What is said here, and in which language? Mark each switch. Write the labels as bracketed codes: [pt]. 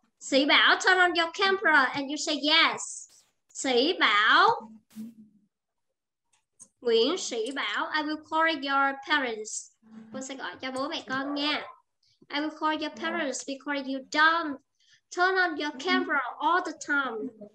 [en] Sĩ Bảo, turn on your camera and you say yes. Sĩ Bảo. Nguyễn Sĩ Bảo, I will call your parents. [vi] Cô sẽ gọi cho bố mẹ con nha. [en] I will call your parents because you don't turn on your camera all the time.